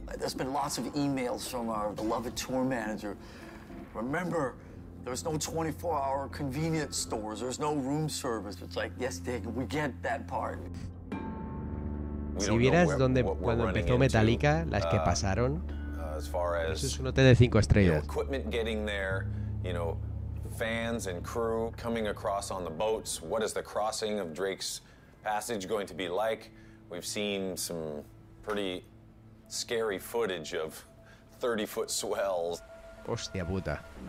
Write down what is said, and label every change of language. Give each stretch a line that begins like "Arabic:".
English: There's been lots of emails from our beloved tour manager. Remember, there's no 24-hour convenience stores. There's no room service. It's like, yes, Dick, we get that part.
Spanish: Si vieras donde cuando empezó Metallica, las que pasaron, eso es un hotel de 5 estrellas.
English: Equipment getting there, you know, fans and crew coming across on the boats. What is the crossing of Drake's passage going to be like? We've seen some pretty scary footage of 30-foot swells.
Spanish: Hostia puta.